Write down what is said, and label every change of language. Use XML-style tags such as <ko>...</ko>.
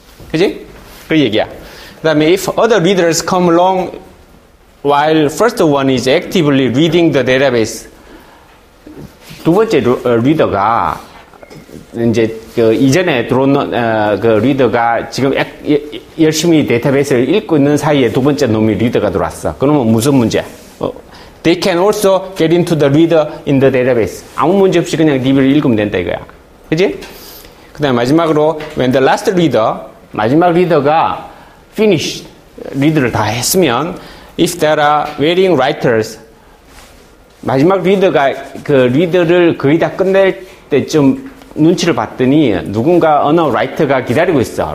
<ko>그지? 그 얘기야.</ko> <en>그 다음에 if other readers come along while first one is actively reading the database.</en> <ko>두 번째 리더가 이제 그 이전에 들어온 그 리더가 지금 열심히 데이터베이스를 읽고 있는 사이에 두 번째 놈이 리더가 들어왔어. 그러면 무슨 문제?</ko> <en>They can also get into the reader in the database.</en> <ko>아무 문제 없이 그냥 DB를 읽으면 된다 이거야. 그지? 그 다음에 마지막으로</ko> <en>when the last reader,</en> <ko>마지막 리더가 finish 리드를 다 했으면</ko> <en>if there are waiting writers,</en> <ko>마지막 리더가 그 리더를 거의 다 끝낼 때쯤 눈치를 봤더니 누군가 어느 라이터가 기다리고 있어.</ko>